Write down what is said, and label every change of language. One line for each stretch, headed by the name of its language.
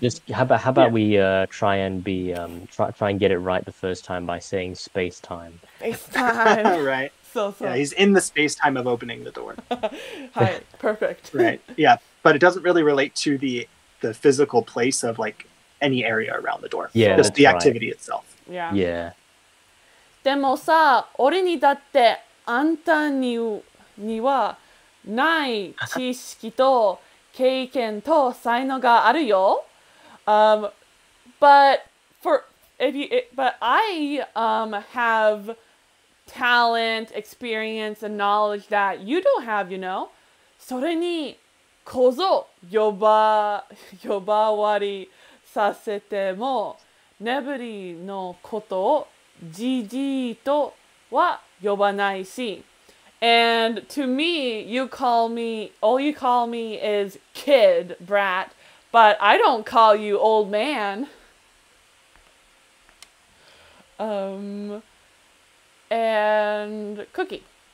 English: Just how about we try and be try and get it right the first time by saying space time. Space time. Right. So Yeah, so. he's in the space time of opening the door. Hi, perfect. Right. Yeah, but it doesn't really relate to the physical place of like any area around the door. Yeah, Just that's the right. activity itself. Yeah. Yeah.
Japanese: でもさ、俺にだってあんたにはない知識と経験と才能があるよ。
English: But But I have talent, experience, and knowledge that you don't have, you know?
Japanese: それにこぞ呼ばわりさせても、ネブリのことをジジイとは呼ばないし。
English: And to me, all you call me is kid, brat, but I don't call you old man. And cookie.